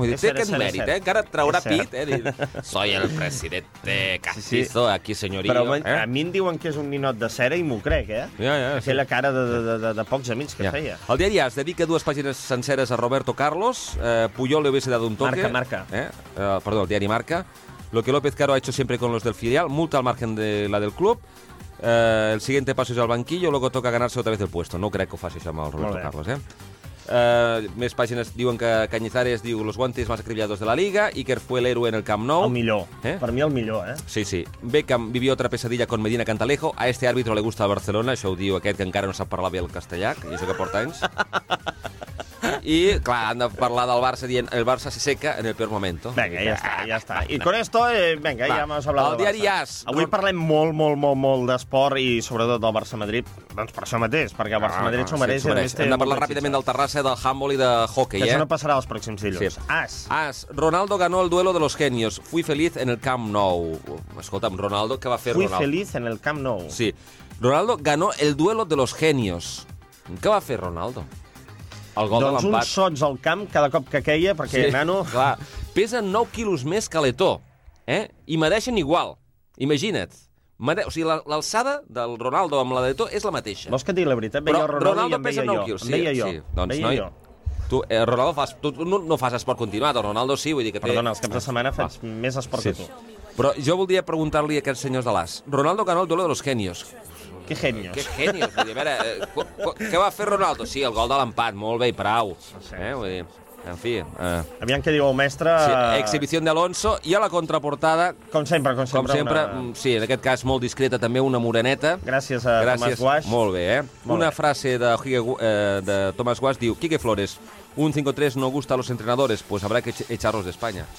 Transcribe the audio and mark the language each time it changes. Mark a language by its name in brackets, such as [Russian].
[Catalan] Té aquest mèrit, encara traurà pit, [Spanish] soy el presidente Castizo. [Catalan] Aquí, senyorío. Però a mi em diuen que és un ninot de cera i m'ho crec, eh? Ja, ja. Aquella cara de pocs amics que feia. El diari es dedica dues pàgines senceres a Roberto Carlos. Puyol li hauria [Spanish] dado un toque. [Catalan] Marca. Perdó, el diari Marca. [Spanish] Lo que López Caro ha hecho siempre con los del filial. Multa al margen de la del club. El siguiente paso es al banquillo. Luego toca ganarse otra vez el puesto. [Catalan] No crec que ho faci això amb el Roberto Carlos, eh? Més pàgines diuen que Cañizares diu [Spanish] los guantes más acribillados de la Liga, Iker fue el héroe en el Camp Nou. [Catalan] El millor. Per mi el millor, eh? Sí, sí. [Spanish] Beckham vivió otra pesadilla con Medina Cantalejo. A este árbitro le gusta Barcelona. [Catalan] Això ho diu aquest, que encara no sap parlar bé el castellà, i això que porta anys. I, clar, han de parlar del Barça dient [Spanish] el Barça se seca en el peor momento. [Catalan] Vinga, ja està, ja està. I [Spanish] con esto, [Catalan] vinga, ja m'has hablat del Barça. Diari As. Avui parlem molt, molt, molt, molt d'esport i sobretot del Barça-Madrid, doncs per això mateix, perquè el Barça-Madrid s'ho mereix. Hem de parlar ràpidament del Terrassa, del handball i de hockey. Que això no passarà els pròxims dilluns. As. As. [Spanish] Ronaldo ganó el duelo de los genios. Fui feliz en el Camp Nou. [Catalan] Escolta'm, Ronaldo, què va fer Ronaldo? [Spanish] Fui feliz en el Camp Nou. [Catalan] Sí. [Spanish] Ronaldo ganó el duelo de los genios. [Catalan] Què va fer Ronaldo? El gol doncs de l'empat. Doncs uns sots al camp cada cop que queia, perquè, sí, nano... Clar, pesen 9 quilos més que l'Eto, eh? I mereixen igual. Imagina't. O sigui, l'alçada del Ronaldo amb la d'Eto és la mateixa. Vols que et digui la veritat? Veia Ronaldo i em veia jo. Quilos. Sí, veia jo. Sí. Doncs, veia noi, jo. Tu, Ronaldo, fas, tu no fas esport continuat, el Ronaldo sí, vull dir que... Perdona, els caps de setmana faig més esport, sí, que tu. Però jo voldria preguntar-li a aquests senyors de l'As. [Spanish] Ronaldo ganó el duelo de los genios. Que genios. Que genios. [Catalan] A veure, què va fer Ronaldo? Sí, el gol de l'empat. Molt bé, prou. Vull dir, en fi. Aviam què diu el mestre. [Spanish] Sí, exhibición de Alonso. [Catalan] I a la contraportada... Com sempre. Com sempre, una... sí, en aquest cas molt discreta també, una moreneta. Gràcies a Gràcies. Tomás Guas. Molt bé, eh? Una frase de Tomás Guas diu... [Spanish] Quique Flores, un 5-3 no gusta a los entrenadores, pues habrá que echarlos de España.